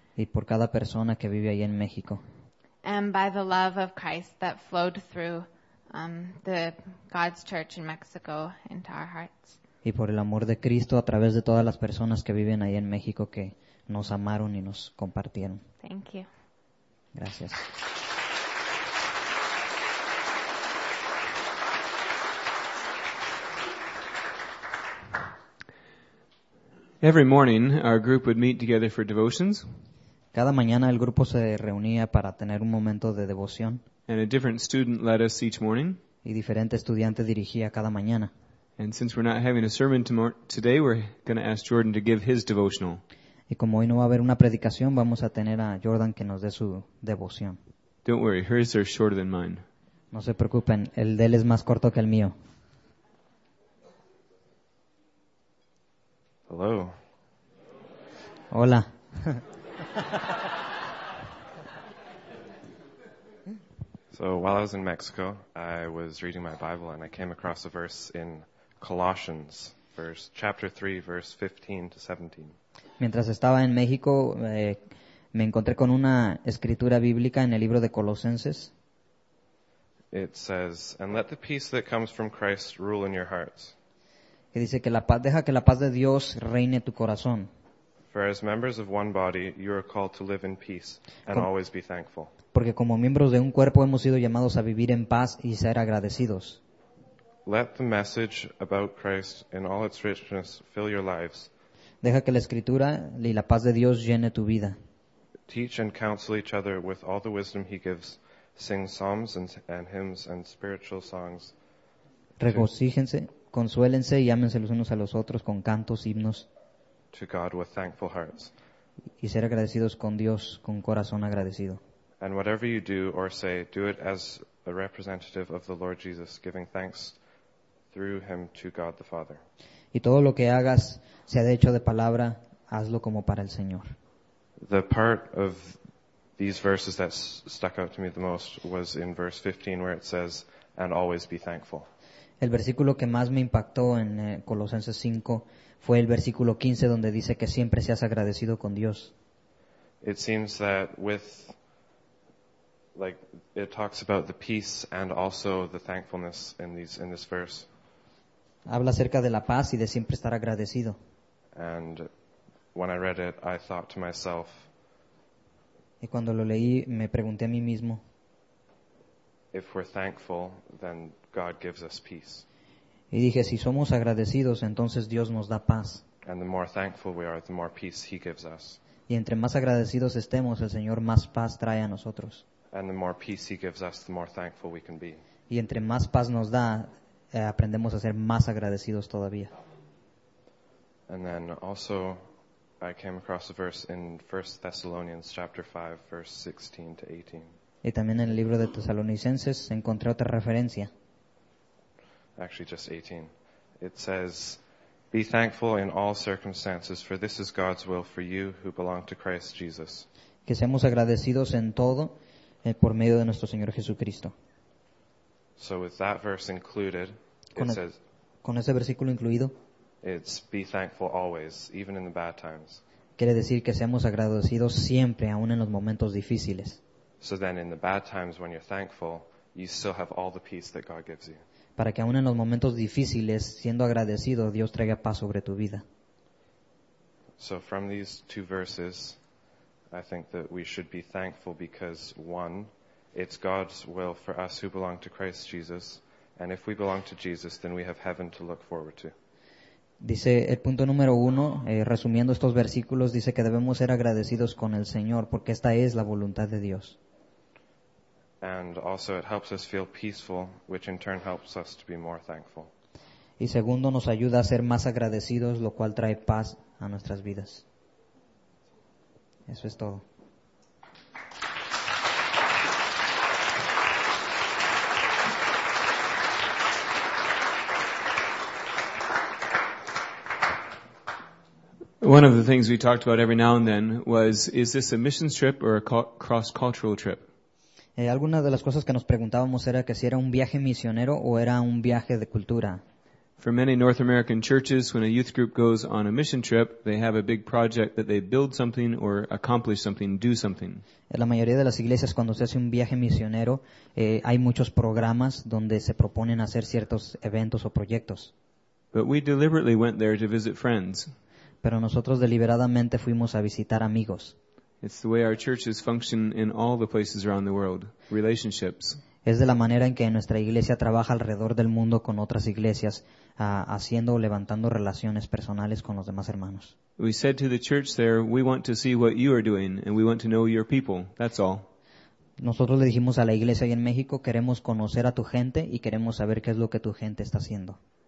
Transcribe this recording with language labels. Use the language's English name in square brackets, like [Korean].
[Spanish] Y por cada persona que vive ahí en México. [English] And by the love of Christ that flowed through the God's church in Mexico into our hearts. [Spanish] Y por el amor de Cristo a través de todas las personas que viven ahí en México que nos amaron y nos compartieron. [English] Thank you. [Spanish] Gracias. [English] Every morning our group would meet together for devotions. [Spanish] Cada mañana el grupo se reunía para tener un momento de devoción. [English] And a different student led us each morning. [Spanish] Y diferente estudiante dirigía cada mañana. [English] And since we're not having a sermon today, we're going to ask Jordan to give his devotional. [Spanish] Y como hoy no va a haber una predicación, vamos a tener a Jordan que nos dé su devoción. [English] Don't worry, hers are shorter than mine. [Spanish] No se preocupen, el de él es más corto que el mío. [English] Hello. [Spanish] Hola. [English] So while I was in Mexico, I was reading my Bible and I came across a verse in Colossians, verse chapter 3, verse 15 to 17. [Spanish] Mientras estaba en México, me encontré con una escritura bíblica en el libro de Colosenses. [English] It says, "And let the peace that comes from Christ rule in your hearts." [Spanish] Que dice que la paz, deja que la paz de Dios reine tu corazón. [English] For as members of one body, you are called to live in peace and always be thankful. [Spanish] Porque como miembros de un cuerpo hemos sido llamados a vivir en paz y ser agradecidos. [English] Let the message about Christ in all its richness fill your lives. [Spanish] Deja que la escritura y la paz de Dios llene tu vida. [English] Teach and counsel each other with all the wisdom he gives. Sing psalms and hymns and spiritual songs. [Spanish] Regocíjense, consuélense y ámense los unos a los otros con cantos, himnos. [English] To God with thankful hearts. [Spanish] Y ser agradecidos con Dios con corazón agradecido. [English] And whatever you do or say, do it as a representative of the Lord Jesus, giving thanks through him to God the Father. [Spanish] Y todo lo que hagas, sea de hecho de palabra, hazlo como para el Señor. [English] The part of these verses that stuck out to me the most was in verse 15 where it says, "And always be thankful." [Spanish] El versículo que más me impactó en Colosenses 5 fue el versículo 15 donde dice que siempre seas agradecido con Dios. [English] It seems that with, like, it talks about the peace and also the thankfulness in this verse. [Spanish] Habla acerca de la paz y de siempre estar agradecido. [English] And when I read it, I thought to myself, [Spanish] y cuando lo leí, me pregunté a mí mismo, [English] if we're thankful, then God gives us peace. [Spanish] Y dije, si somos agradecidos, entonces Dios nos da paz. [English] And the more thankful we are, the more peace he gives us. [Spanish] Y entre más agradecidos estemos, el Señor más paz trae a nosotros. [English] And the more peace he gives us, the more thankful we can be. [Spanish] Y entre más paz nos da, aprendemos a ser más agradecidos todavía. [English] And then also I came across a verse in 1 Thessalonians chapter 5 verse 16 to 18. [Spanish] Y también en el libro de Tesalonicenses encontré otra referencia. [English] Actually just 18. It says, "Be thankful in all circumstances, for this is God's will for you who belong to Christ Jesus." [Spanish] Que seamos agradecidos en todo por medio de nuestro Señor Jesucristo. [English] So with that verse included, [Spanish] con ese versículo incluido, [English] it's be thankful always, even in the bad times. [Spanish] Quiere decir que seamos agradecidos siempre, aun en los momentos difíciles. [English] So then in the bad times when you're thankful, you still have all the peace that God gives you. [Spanish] Para que aun en los momentos difíciles, siendo agradecido, Dios traiga paz sobre tu vida. [English] So from these two verses, I think that we should be thankful because one, it's God's will for us who belong to Christ Jesus, and if we belong to Jesus, then we have heaven to look forward to. [Spanish] Dice el punto número uno, resumiendo estos versículos, dice que debemos ser agradecidos con el Señor porque esta es la voluntad de Dios. [English] And also, it helps us feel peaceful, which in turn helps us to be more thankful. [Spanish] Y segundo, nos ayuda a ser más agradecidos, lo cual trae paz a nuestras vidas. Eso es todo. [English] One of the things we talked about every now and then was, is this a missions trip or a cross-cultural trip? [Spanish] Algunas de las cosas que nos preguntábamos era que si era un viaje misionero o era un viaje de cultura. [English] For many North American churches, when a youth group goes on a mission trip, they have a big project that they build something or accomplish something, do something. [Spanish] En la mayoría de las iglesias, cuando se hace un viaje misionero, hay muchos programas donde se proponen hacer ciertos eventos o proyectos. [English] But we deliberately went there to visit friends. [Spanish] Pero nosotros deliberadamente fuimos a visitar amigos. [English] It's the way our churches function in all the places around the world. Relationships. [Spanish] Es de la manera en que nuestra iglesia trabaja alrededor del mundo con otras iglesias, haciendo o levantando relaciones personales con los demás hermanos. [English] We said to the church there, we want to see what you are doing and we want to know your people. That's all. [Spanish] Nosotros le dijimos a la iglesia ahí en México, queremos conocer a tu gente y queremos saber qué es lo que tu gente está haciendo.